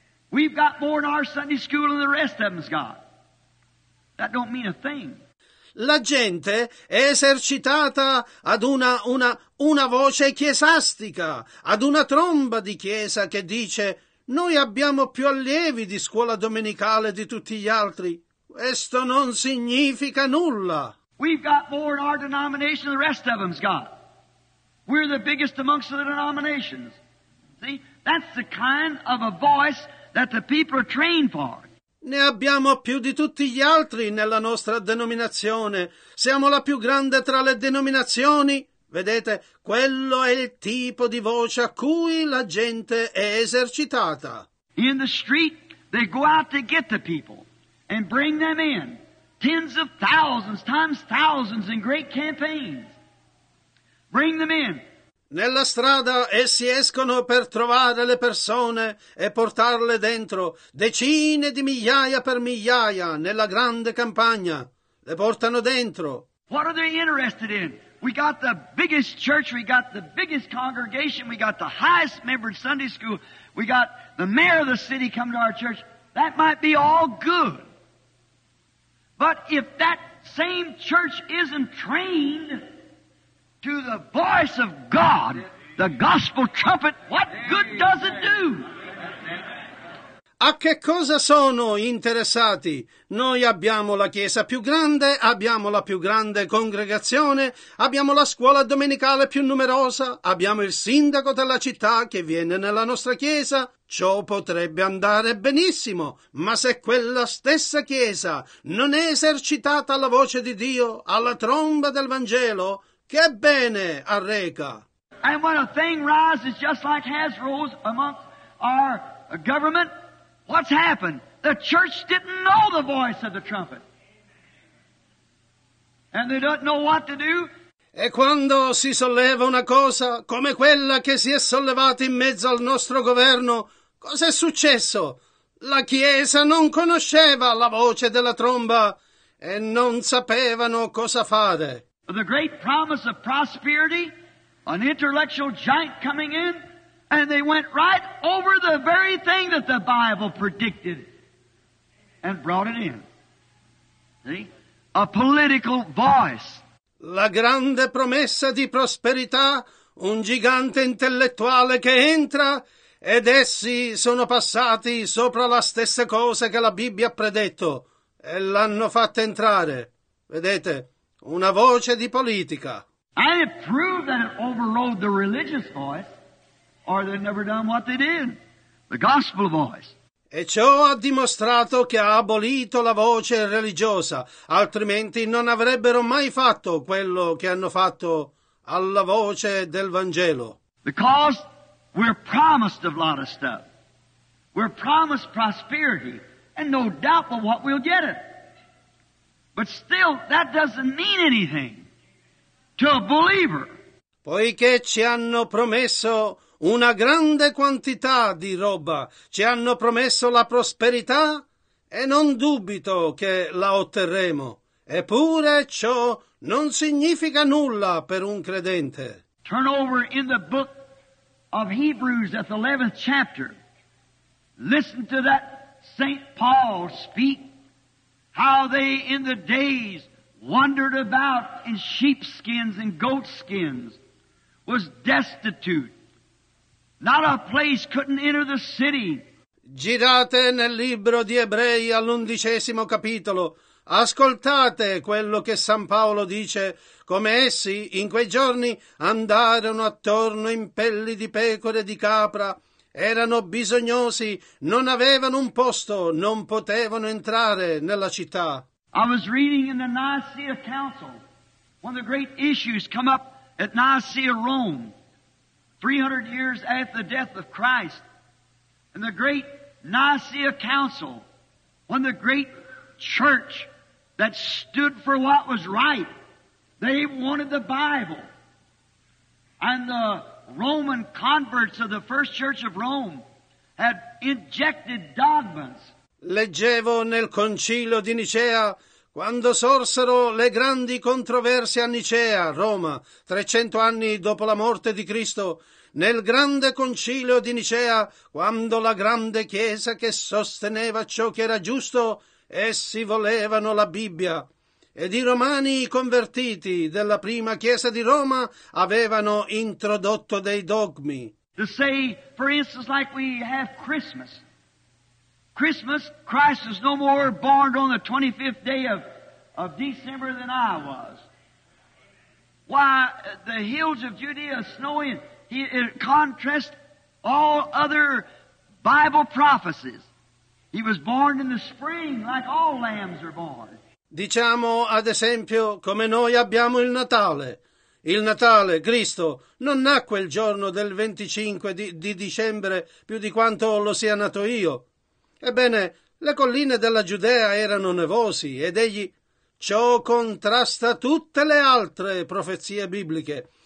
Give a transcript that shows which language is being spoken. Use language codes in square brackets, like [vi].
[en] We've got more in our Sunday school than the rest of them's got. That don't mean a thing. [it] La gente è esercitata ad una voce chiesastica, ad una tromba di chiesa che dice: noi abbiamo più allievi di scuola domenicale di tutti gli altri. Questo non significa nulla. [en] We've got more in our denomination than the rest of them's got. We're the biggest amongst the denominations. See, that's the kind of a voice that the people are trained for. [it] Ne abbiamo più di tutti gli altri nella nostra denominazione. Siamo la più grande tra le denominazioni. Vedete, quello è il tipo di voce a cui la gente è esercitata. [en] In the street, they go out to get the people and bring them in. Tens of thousands, times thousands in great campaigns. Bring them in. [it] Nella strada essi escono per trovare le persone e portarle dentro, decine di migliaia per migliaia nella grande campagna. Le portano dentro. [en] What are they interested in? We got the biggest church, we got the biggest congregation, we got the highest member in Sunday school, we got the mayor of the city come to our church. That might be all good. But if that same church isn't trained to the voice of God, the gospel trumpet, what good does it do? [it] A che cosa sono interessati? Noi abbiamo la chiesa più grande, abbiamo la più grande congregazione, abbiamo la scuola domenicale più numerosa, abbiamo il sindaco della città che viene nella nostra chiesa. Ciò potrebbe andare benissimo, ma se quella stessa chiesa non è esercitata alla voce di Dio, alla tromba del Vangelo, che bene arreca! [en] And when a thing rises just like has rose among our government, what's happened? The church didn't know the voice of the trumpet. And they don't know what to do. [it] E quando si solleva una cosa come quella che si è sollevata in mezzo al nostro governo, cosa è successo? La Chiesa non conosceva la voce della tromba e non sapevano cosa fare. [en] The great promise of prosperity, an intellectual giant coming in, and they went right over the very thing that the Bible predicted and brought it in. See? A political voice. [it] La grande promessa di prosperità, un gigante intellettuale che entra, ed essi sono passati sopra la stessa cosa che la Bibbia ha predetto e l'hanno fatta entrare. Vedete, una voce di politica. [en] And it proved that it overrode the religious voice, or they'd never done what they did, the gospel voice. [it] E ciò ha dimostrato che ha abolito la voce religiosa, altrimenti non avrebbero mai fatto quello che hanno fatto alla voce del Vangelo. [en] Because we're promised a lot of stuff. We're promised prosperity, and no doubt but what we'll get it. But still, that doesn't mean anything to a believer. [it] Poiché ci hanno promesso una grande quantità di roba, ci hanno promesso la prosperità, e non dubito che la otterremo. Eppure ciò non significa nulla per un credente. [en] Turn over in the book of Hebrews at the 11th chapter. Listen to that Saint Paul speak, how they in the days wandered about in sheepskins and goatskins, was destitute, not a place, couldn't enter the city. [it] Girate nel libro di Ebrei all'undicesimo capitolo. Ascoltate quello che San Paolo dice, come essi in quei giorni andarono attorno in pelli di pecore e di capra, erano bisognosi, non avevano un posto, non potevano entrare nella città. [en] I was reading in the Nicaea Council, one of the great issues come up at Nicaea, Rome, 300 years after the death of Christ, in the great Nicaea Council, when the great church that stood for what was right, they wanted the Bible. And the Roman converts of the First Church of Rome had injected dogmas. [it] Leggevo nel Concilio di Nicea, quando sorsero le grandi controversie a Nicea, Roma, 300 anni dopo la morte di Cristo, nel grande Concilio di Nicea, quando la grande Chiesa che sosteneva ciò che era giusto, essi volevano la Bibbia. Ed i Romani, i convertiti della prima Chiesa di Roma, avevano introdotto dei dogmi. [en] To say, for instance, like we have Christmas. Christmas, Christ is no more born on the 25th day of December than I was. Why, the hills of Judea snowing, it contrasts all other Bible prophecies. He was born in the spring, like all lambs are born. [it] Diciamo, ad esempio, come noi abbiamo il Natale. Il Natale, Cristo, non nacque il giorno del 25 di dicembre più di quanto lo sia nato io. Ebbene, le colline della Giudea erano nevosi ed egli, ciò contrasta tutte le altre profezie bibliche.